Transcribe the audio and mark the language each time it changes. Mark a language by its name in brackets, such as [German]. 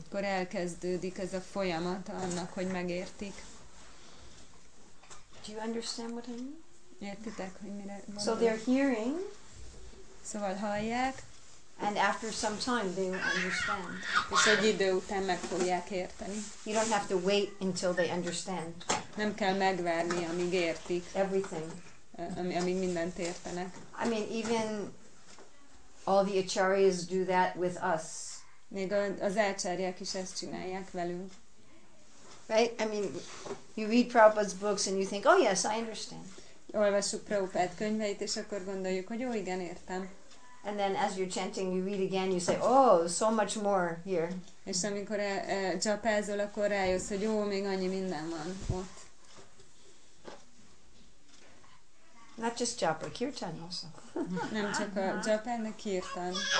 [Hungarian] Akkor elkezdődik ez a folyamat annak, hogy megértik. [English] Do you understand what I mean? [Hungarian] Értitek, hogy mire mondom? [English] So they're hearing. [Hungarian] Szóval hallják. [English] And after some time they will understand. [Hungarian] És egy idő után meg fogják érteni. [English] You don't have to wait until they understand. [Hungarian] Nem kell megvárni, amíg értik. [English] Everything. [Hungarian] Amíg mindent értenek. [English] I mean, even all the acharyas do that with us. [Hungarian] Még az acharyák is ezt csinálják velünk. [English] Right? I mean, you read Prabhupada's books and you think, oh yes, I understand. [Hungarian] Olvassuk Prabhupada könyveit, és akkor gondoljuk, hogy jó, igen, értem. [English] And then as you're chanting, you read again, you say, oh, so much more here. [Hungarian] És amikor japázol, akkor rájössz, hogy jó, még annyi minden van ott. [English] Not just japa, kirtan also. [Hungarian] Nem csak a japa, de kirtan.